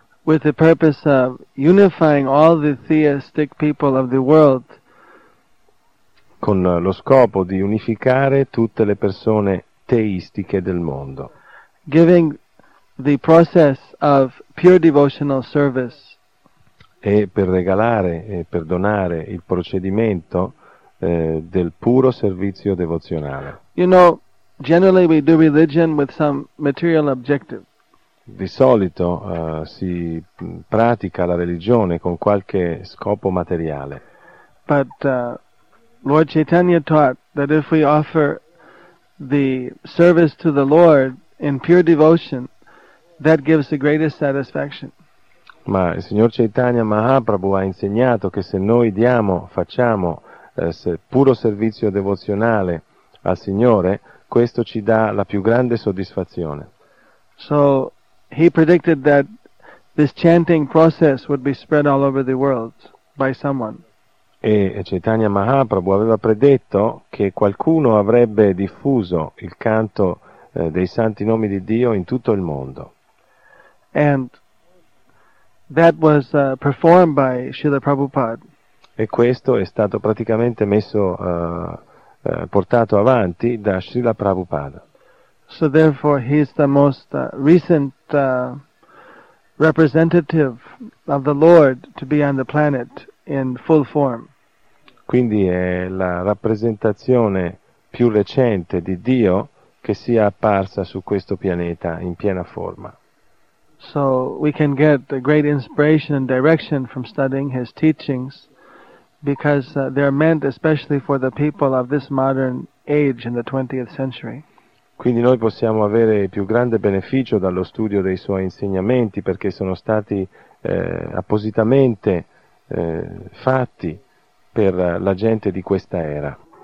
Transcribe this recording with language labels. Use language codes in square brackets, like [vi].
[en] With the purpose of unifying all the theistic people of the world. [it] Con lo scopo di unificare tutte le persone teistiche del mondo. [en] Giving the process of pure devotional service. [it] E per regalare e per donare il procedimento del puro servizio devozionale. [en] You know, generally we do religion with some material objective. [it] Di solito si pratica la religione con qualche scopo materiale. [en] But Lord Chaitanya taught that if we offer the service to the Lord in pure devotion, that gives the greatest satisfaction. [it] Ma il signor Chaitanya Mahaprabhu ha insegnato che se noi facciamo puro servizio devozionale al Signore, questo ci dà la più grande soddisfazione. [en] So he predicted that this chanting process would be spread all over the world by someone. [it] E Chaitanya Mahaprabhu aveva predetto che qualcuno avrebbe diffuso il canto dei santi nomi di Dio in tutto il mondo. [en] And that was performed by Srila Prabhupada. [it] E questo è stato praticamente messo portato avanti da Srila Prabhupada. [en] So therefore he is the most recent representative of the Lord to be on the planet in full form. [it] Quindi è la rappresentazione più recente di Dio che sia apparsa su questo pianeta in piena forma. [en] So we can get a great inspiration and direction from studying his teachings because they're meant especially for the people of this modern age in the 20th century. [it] Quindi noi possiamo avere il più grande beneficio dallo studio dei suoi insegnamenti perché sono stati appositamente fatti per la gente di questa era.